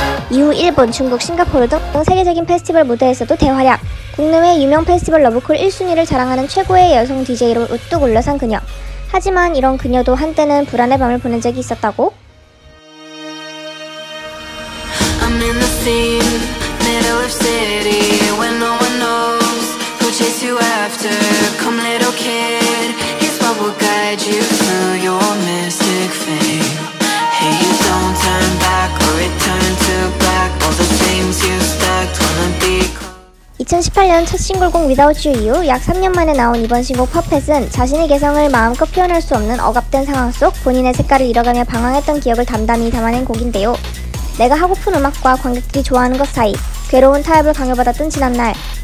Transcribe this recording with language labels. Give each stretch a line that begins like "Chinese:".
Korean: 이후 일본, 중국, 싱가포르 등 세계적인 페스티벌 무대에서도 대활약, 국내외 유명 페스티벌 러브콜 1순위를 자랑하는 최고의 여성 DJ로 우뚝 올라선 그녀. 하지만 이런 그녀도 한때는 불안의 밤을 보낸 적이 있었다고?
English: I'm in the scene, middle of city, when no one knows. Chase you after, come little kid. Here's what will guide you through your mystic fame. Hey, you don't turn back or return to black. All the things you stacked wanna be.
Korean: 2018년 첫 싱글곡 Without You 이후 약 3년 만에 나온 이번 신곡 Puppet은 자신의 개성을 마음껏 표현할 수 없는 억압된 상황 속 본인의 색깔을 잃어가며 방황했던 기억을 담담히 담아낸 곡인데요. 내가 하고픈 음악과 관객들이 좋아하는 것 사이 괴로운 타협을 강요받았던 지난날.